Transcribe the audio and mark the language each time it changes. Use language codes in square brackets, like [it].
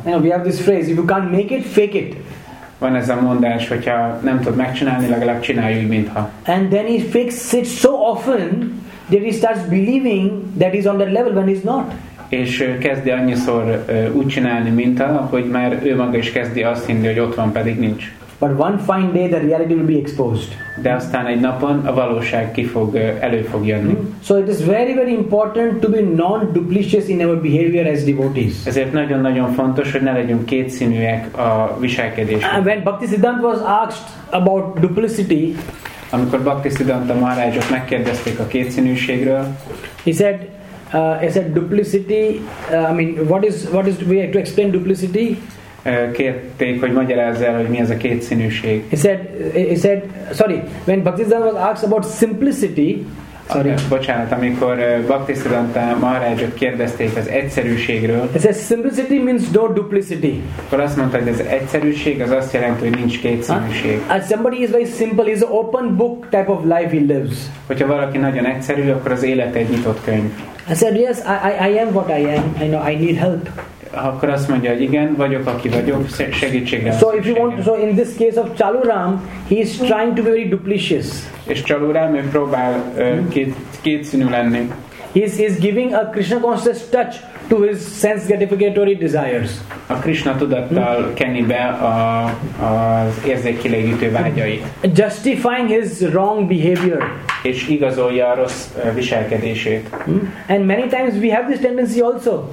[en] You know, we have this phrase, if you can't make it, fake it. [hu] Van ez a mondás, hogyha nem tud megcsinálni, legalább csinálj úgy, mintha. [en] And then he fakes it so often then he starts believing that he's on that level when he's not. [hu] És kezdi annyiszor úgy csinálni, mint annak, hogy már ő maga is kezdi azt hinni, hogy ott van, pedig nincs. [en] But one fine day the reality will be exposed. [hu] De aztán egy napon a valóság elő fog jönni. [en] So it is very very important to be non-duplicitous in our behavior as devotees. [hu] Ezért nagyon-nagyon fontos, hogy ne legyünk kétszínűek a viselkedésben. [en] When Bhaktisiddhanta was asked about duplicity, [hu] amikor Bhaktisiddhanta Maharajot megkérdezték a kétszínűségről, [en] he said duplicity, what is we have to explain duplicity? [hu] Kérték, hogy magyarázza el, hogy mi ez a kétszínűség. [en] He said, when Bhaktisiddhanta was asked about simplicity, [hu] amikor Bhaktisiddhanta Maharajot kérdezték az egyszerűségről. [en] He said, simplicity means no duplicity. [hu] Akkor azt mondta, hogy ez egyszerűség, az azt jelenti, hogy nincs kétszínűség. [en] As somebody is very simple, is an open book type of life he lives. [hu] Hogyha valaki nagyon egyszerű, akkor az élete egy nyitott könyv. [en] I said, yes, I am what I am. I know I need help. [hu] Akkor azt mondja, hogy igen, vagyok, aki vagyok, segítségre. [en] So if you want, so in this case of Chaluram, he is trying to be very duplicitous. [hu] És Chaluram, ő próbál kétszínű lenni. [en] He is giving a Krishna conscious touch to his sense gratificatory desires. [hu] A Krishna tudattal kenni be az érzékkielégítő vágyait. [en] Justifying his wrong behavior. [hu] És igazolja a rossz viselkedését. [en] And many times we have this tendency also.